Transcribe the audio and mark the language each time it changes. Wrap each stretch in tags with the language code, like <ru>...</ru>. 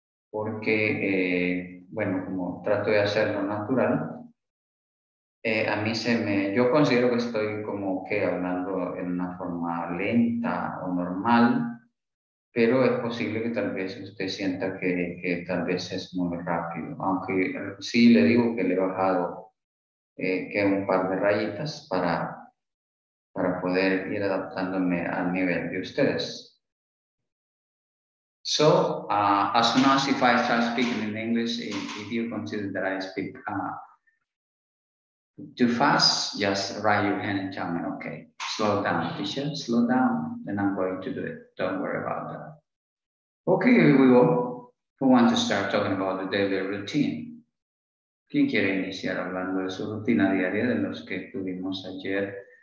<es>Porque, bueno, como trato de hacerlo natural, yo considero que estoy como que hablando en una forma lenta o normal, pero es posible que tal vez usted sienta que tal vez es muy rápido. Aunque sí le digo que le he bajado que un par de rayitas para poder ir adaptándome al nivel de ustedes.</es> <en>So, as long as if I start speaking in English, if you consider that I speak too fast, just raise your hand and tell me, okay, slow down, teacher, slow down, and I'm going to do it. Don't worry about that. Okay, here we go. Who wants to start talking about the daily routine?</en> <es>¿Quién quiere iniciar hablando de su rutina diaria de los que tuvimos ayer?</es>